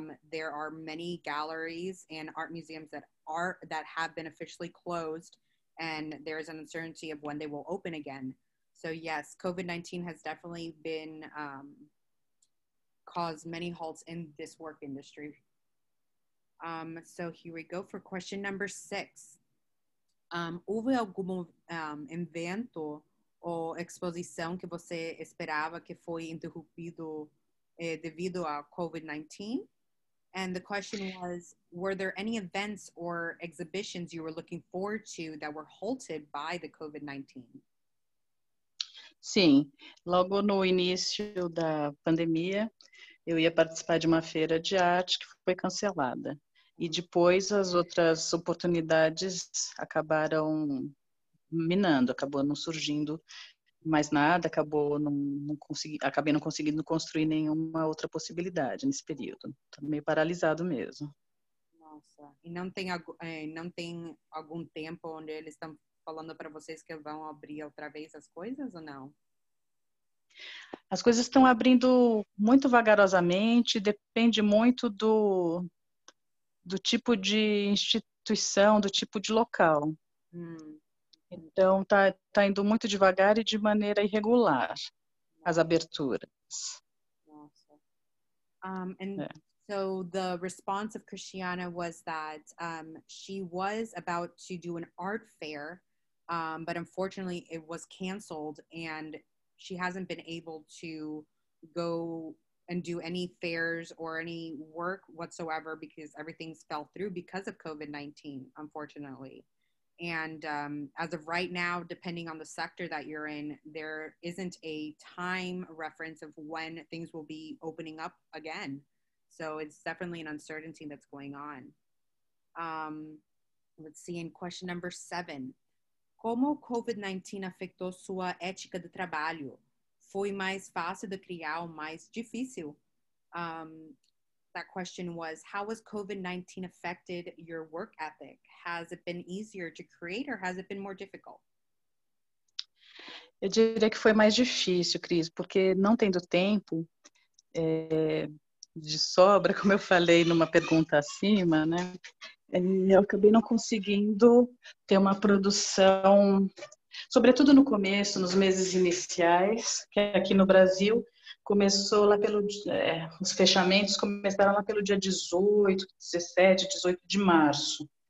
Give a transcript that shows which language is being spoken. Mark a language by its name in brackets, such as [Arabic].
[English] There are many galleries and art museums that have been officially closed, and there is an uncertainty of when they will open again. So yes, COVID-19 has definitely been caused many halts in this work industry. So here we go for question number 6. [Portuguese] Houve algum evento ou exposição que você esperava que foi interrompido devido a COVID-19? [English] And the question was, were there any events or exhibitions you were looking forward to that were halted by the COVID-19? [Portuguese] Sim, logo no início da pandemia, eu ia participar de uma feira de arte que foi cancelada. E depois as outras oportunidades acabaram minando, acabou não surgindo mais nada, acabei não conseguindo construir nenhuma outra possibilidade nesse período. Tô meio paralisado mesmo. Nossa, e não tem algum tempo onde eles estão falando para vocês que vão abrir outra vez as coisas ou não? As coisas estão abrindo muito vagarosamente, depende muito do tipo de instituição, do tipo de local. Então, tá indo muito devagar e de maneira irregular as aberturas. Nossa. [English] So the response of Christiana was that she was about to do an art fair, but unfortunately it was canceled and she hasn't been able to go and do any fairs or any work whatsoever because everything's fell through because of COVID-19, unfortunately. And as of right now, depending on the sector that you're in, there isn't a time reference of when things will be opening up again. So it's definitely an uncertainty that's going on. Let's see, in question number 7. [Portuguese] Como COVID-19 afetou sua ética de trabalho? Foi mais fácil de criar ou mais difícil? [English] That question was, how has COVID-19 affected your work ethic? Has it been easier to create or has it been more difficult? [Portuguese] Eu diria que foi mais difícil, Cris, porque não tendo tempo de sobra, como eu falei numa pergunta acima, né? Eu acabei não conseguindo ter uma produção, sobretudo no começo, nos meses iniciais, que aqui no Brasil começou lá pelo os fechamentos começaram lá pelo dia 18, 17, 18 de março.